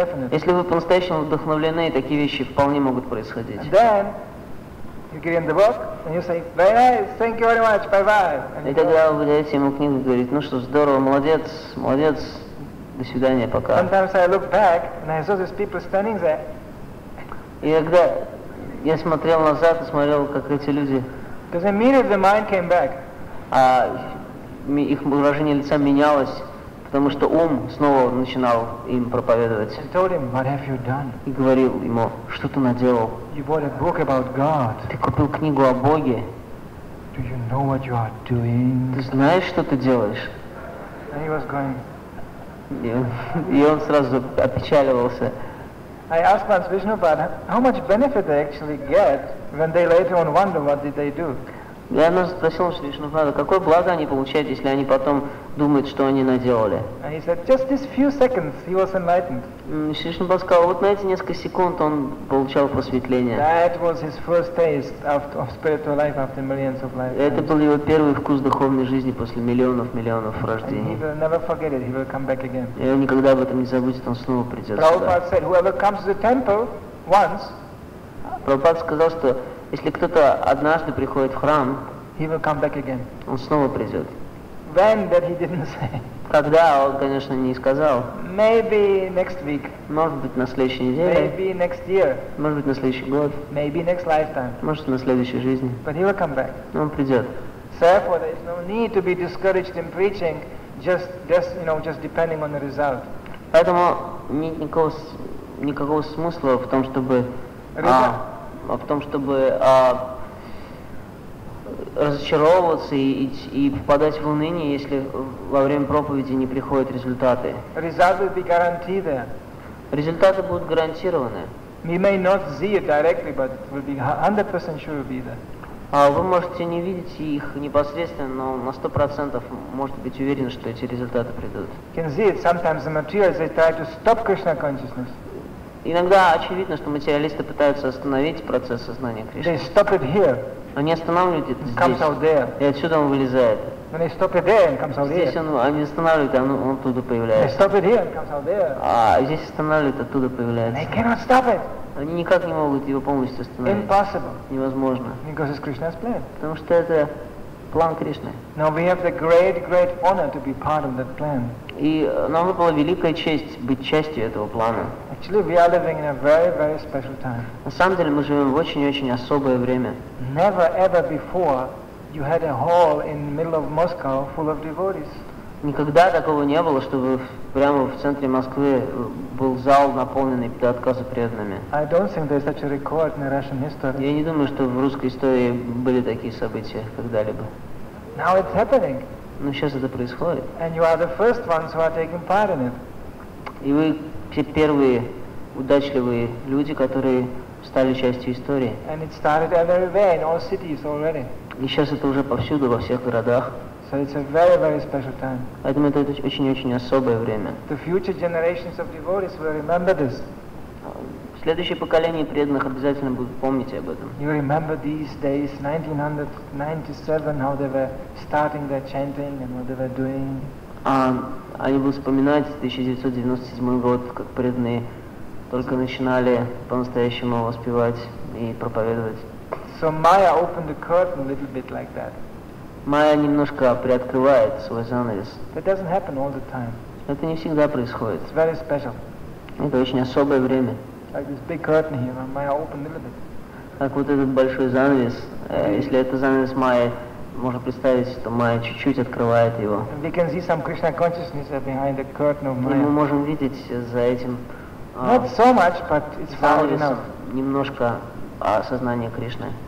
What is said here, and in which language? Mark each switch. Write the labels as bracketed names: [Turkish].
[Russian] Если вы по-настоящему вдохновлены, такие вещи вполне могут происходить. [English] You give him the book, and you say, "Very nice, thank you very much, bye-bye." [Russian] И тогда вы даете ему книгу и говорите, ну что, здорово, молодец, молодец, до свидания, пока. [English] Sometimes I look back, and I saw these people standing there. [Russian] И когда я смотрел назад и смотрел, как эти люди... [English] Because immediately the mind came back. [Russian] А их выражение лица менялось, потому что ум снова начинал им проповедовать. [English] And told him, "What have you done?" [Russian] И говорил ему, что ты наделал? [English] You bought a book about God. [Russian] Ты купил книгу о Боге. [English] Do you know what you are doing? [Russian] Ты знаешь, что ты делаешь? [English] And he was going. [Russian] И он сразу опечаливался. [English] I asked once Vishnu Pada, how much benefit they actually get when they later on wonder what did they do? [Russian] Я спросил Вишну Пада, какое благо они получают, если они потом думают, что они наделали. [English] And he said, just these few seconds he was enlightened. [Russian] Вишну Пада сказал, вот на эти несколько секунд он получал просветление. [English] That was his first taste of spiritual life after millions of lives. [Russian] Это был его первый вкус духовной жизни после миллионов-миллионов рождений. [English] And he will never forget it, he will come back again. [Russian] И он никогда об этом не забудет, он снова придет сюда. [English] Prabhupada said, whoever comes to the temple once. [Russian] Прабхупада сказал, что если кто-то однажды приходит в храм, [English] he will come back again. [Russian] Он снова придет. [English] When, that he didn't say. [Russian] Когда, он, конечно, не сказал. [English] Maybe next week. [Russian] Может быть, на следующей неделе. [English] Maybe next year. [Russian] Может быть, на следующий год. [English] Maybe next lifetime. [Russian] Может, на следующей жизни. [English] But he will come back. [Russian] Но он придет. [English] Therefore, there is no need to be discouraged in preaching, just you know, just depending on the result. [Russian] Поэтому нет никакого смысла в том, чтобы в том, чтобы разочаровываться и попадать в уныние, если во время проповеди не приходят результаты. [English] Result will be guaranteed there. [Russian] Результаты будут гарантированы. [English] We may not see it directly, but we'll be 100% sure it'll be there. [Russian] Вы можете не видеть их непосредственно, но на 100% можете быть уверены, что эти результаты придут. [English] You can see it sometimes the materials they try to stop Krishna consciousness. [Russian] Иногда очевидно, что материалисты пытаются остановить процесс сознания Кришны. [English] They stop it here. [Russian] Они останавливают это здесь. [English] Comes out there. [Russian] И отсюда он вылезает. [English] And they stop it there and comes out [Russian] здесь [English] here. [Russian] Они останавливают, а он оттуда появляется. [English] They stop it here and comes out there. [Russian] А здесь останавливают, оттуда появляется. [English] They cannot stop it. [Russian] Они никак не могут его полностью остановить. [English] Impossible. [Russian] Невозможно. [English] Because it's Krishna's plan. [Russian] Потому что это план Кришны. [English] Now we have the great, great honor to be part of that plan. [Russian] И нам выпала великая честь быть частью этого плана. [English] Actually, we are living in a very, very special time. [Russian] На самом деле мы живем в очень-очень особое время. [English] Never ever before you had a hall in the middle of Moscow full of devotees. [Russian] Никогда такого не было, чтобы прямо в центре Москвы был зал, наполненный до отказа преданными. [English] I don't think there's such a record in the Russian history. [Russian] Я не думаю, что в русской истории были такие события когда-либо. [English] Now it's happening. [Russian] Но сейчас это происходит. [English] And you are the first ones who are taking part in it. [Russian] И вы все первые удачливые люди, которые стали частью истории. [English] And it started everywhere, in all cities already. [Russian] И сейчас это уже повсюду, во всех городах. [English] So it's a very, very special time. [Russian] Поэтому это очень-очень особое время. [English] The future generations of devotees will remember this. [Russian] Следующее поколение преданных обязательно будут помнить об этом. [English] You remember these days, 1997, how they were starting their chanting and what they were doing. [Russian] Они будут вспоминать 1997 год, как преданные только начинали по-настоящему воспевать и проповедовать. [English] So Maya opened the curtain a little bit like that. [Russian] Майя немножко приоткрывает свой занавес. [English] It doesn't happen all the time. [Russian] Это не всегда происходит. [English] It's very special. [Russian] Это очень особое время. [English] Like this big curtain here, and Maya opened a little bit. [Russian] Как вот этот большой занавес. Если это занавес Майи, можно представить, что Майя чуть-чуть открывает его. [English] And we can see some Krishna consciousness behind the curtain of Maya. [Russian] И мы можем видеть за этим. [English] Not so much, but it's far enough. [Russian] Немножко осознание Кришны.